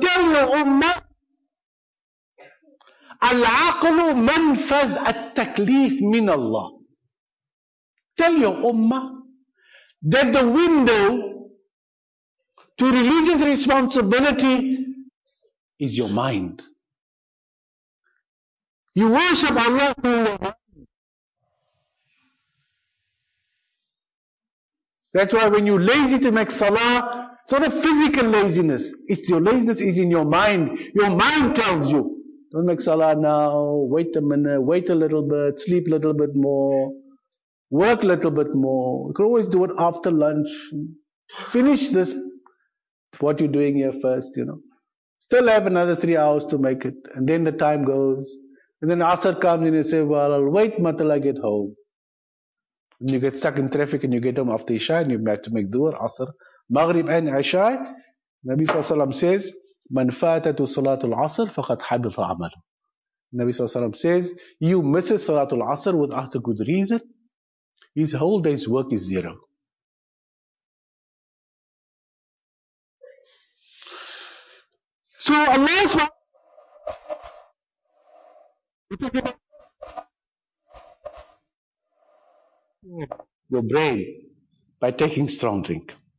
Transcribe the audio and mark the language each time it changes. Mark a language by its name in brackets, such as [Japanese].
[English] Tell your ummah, [Arabic] العقل منفذ التكليف من الله. [English] Tell your ummah that the window to religious responsibility is your mind. You worship Allah through your mind. That's why when you're lazy to make salah, it's not a physical laziness. It's your laziness is in your mind. Your mind tells you, don't make salah now, wait a minute, wait a little bit, sleep a little bit more, work a little bit more. You can always do it after lunch. Finish this, what you're doing here first, you know. Still have another 3 hours to make it, and then the time goes. And then Asr comes and you say, well, I'll wait until I get home. And you get stuck in traffic and you get home after Isha and you have to make Dhuhr, Asr, Maghrib and Isha. Nabi Sallallahu Alaihi Wasallam says, [Arabic] مَنْ فَاتَتُ صَلَاةُ الْعَصْرِ فَقَدْ حَبِثَ عَمَلُ. [English] Nabi Sallallahu Alaihi Wasallam says, you miss Salatul Asr without a good reason, his whole day's work is zero. So Allah's your brain by taking strong drink.